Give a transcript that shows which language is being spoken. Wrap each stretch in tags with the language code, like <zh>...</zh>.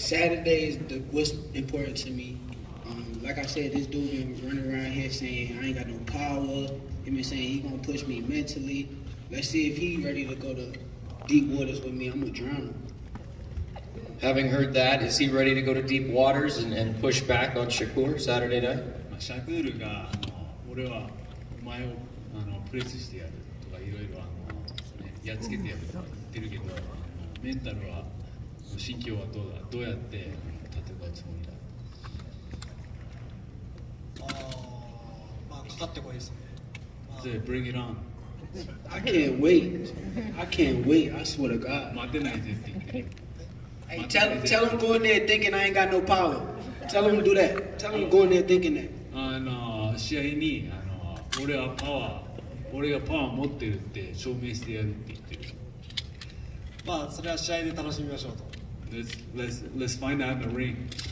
<en>Saturday is what's important to me. Like I said, this dude been running around here saying, I ain't got no power. him and saying he going to push me mentally. Let's see if he's ready to go to deep waters with me. I'm going to drown him. Having heard that, is he ready to go to deep waters and push back on Shakur Saturday night?</en> <ja>Shakur が俺はお前をあのプレスしてやるとかいろいろあのやっつけてやるとか言ってるけど、メンタルは心境はどうだ、どうやって立てばつもりだ。まあかかってこいですね。</ja> <en>で、bring it on。 I can't wait. I swear to God.</en> <ja>待てないぜって言って。</ja> <en>Hey, tell him go in there thinking I ain't got no power. Tell him to do that. Tell him to go in there thinking that. Let's find out in the ring.</en>